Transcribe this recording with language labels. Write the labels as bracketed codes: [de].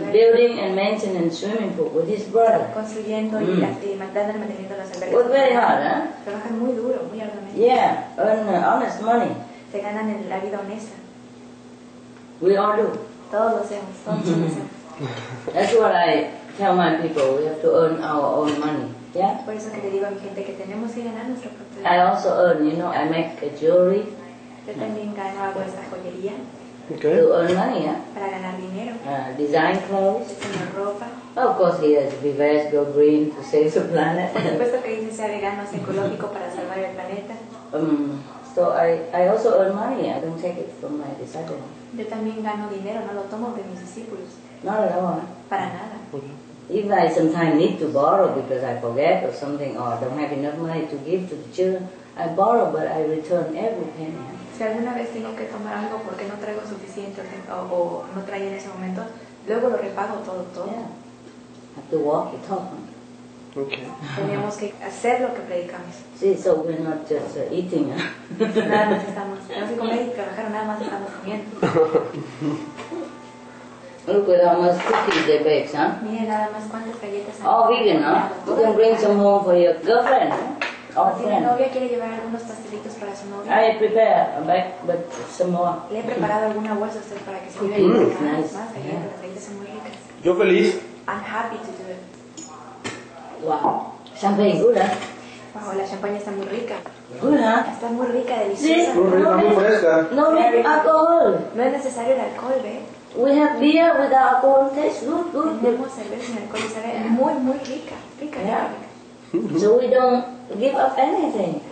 [en] Building and maintenance swimming pool with his brother. [es] Construyendo y mandando el mantenimiento a los albergues. [en] Worked very hard, huh? [es] Trabajan muy duro, muy arduamente. [en] Yeah, earn honest money. [es] Se ganan en la vida honesta. [en] We all do. [es] Todos lo hacemos. [en] That's what I tell my people. We have to earn our own money. Yeah. [es] Por eso que le digo a mi gente que tenemos que ganar nuestro propio dinero. [en] I also earn, you know, I make a jewelry. [es] Yo también gano, hago esta joyería. [en] Okay. To earn money, yeah. [es] Para ganar dinero. [en] Design clothes. [es] Diseño ropa. [en] Well, of course, yes. Be vegan, go green to save the planet. [es] Por supuesto que dice sea vegano, sea ecológico para salvar el planeta. [en] So I also earn money. I don't take it from my disciples. [es] Yo también gano dinero, no lo tomo de mis discípulos. [en] No, no, no. [es] Para nada. [en] Even I sometimes need to borrow because I forget or something, or don't have enough money to give to the children, I borrow, but I return every penny. [es] Si alguna vez tengo que tomar algo porque no traigo suficiente o no traía en ese momento, luego lo repago todo. [en] Yeah. Have to walk the talk. Okay. [es] Teníamos que hacer lo que predicamos. [en] Sí, so we're not just eating. [es] Nada más estamos. No sé comer y trabajar, nada más estamos comiendo. [en] Look at how much cookies they bake, huh? [es] Miren nada más cuántas galletas. [en] Oh, vegan, huh? You can bring some home for your girlfriend. [es] Oh, si la novia quiere llevar algunos pastelitos para su novia. [en] I prepare a bag, but some more. [es] Le he preparado alguna bolsa a usted para que se lleve. [en] Cookies, nice. [es] Más galletas, las galletas son muy ricas. Yo feliz. [en] I'm happy to do it. Wow. Champagne, good, huh? [es] Wow, la champaña está muy rica. [en] Good, huh? [es] Está muy rica, deliciosa. Sí. Muy rica, muy fresca. [en] No, alcohol. [es] No es necesario el alcohol, ¿ve? [en] We have beer with alcohol taste. Good, good. [es] Tenemos cerveza en el coche, sabe muy, muy rica. Rica, [en] yeah. [es] Rica. [en] So we don't give up anything.